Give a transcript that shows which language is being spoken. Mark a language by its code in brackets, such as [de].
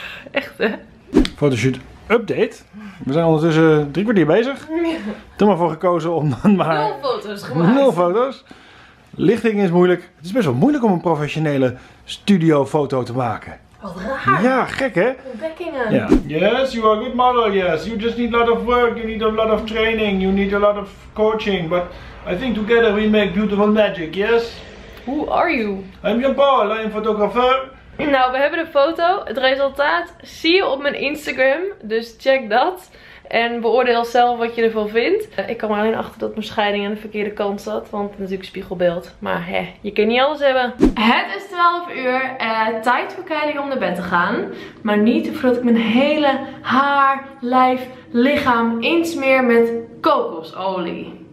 [nl] Echt, hè? Fotoshoot. Update. We zijn ondertussen 3 kwartier bezig. Toen maar voor gekozen om dan maar... 0 foto's gemaakt. 0 foto's. Lichting is moeilijk. Het is best wel moeilijk om een professionele studiofoto te maken. Wat raar. Ja, gek hè? Ontdekkingen. Ja. [en] Yes, you are a good model, yes. You just need a lot of work, you need a lot of training, you need a lot of coaching. But I think together we make beautiful magic, yes? Who are you? I'm Jean-Paul, I'm photographer. [nl] Nou, we hebben de foto. Het resultaat zie je op mijn Instagram. Dus check dat. En beoordeel zelf wat je ervan vindt. Ik kwam alleen achter dat mijn scheiding aan de verkeerde kant zat. Want natuurlijk spiegelbeeld. Maar hè, je kunt niet alles hebben. Het is 12 uur. Tijd voor Kylie om naar bed te gaan. Maar niet voordat ik mijn hele haar, lijf, lichaam insmeer met kokosolie.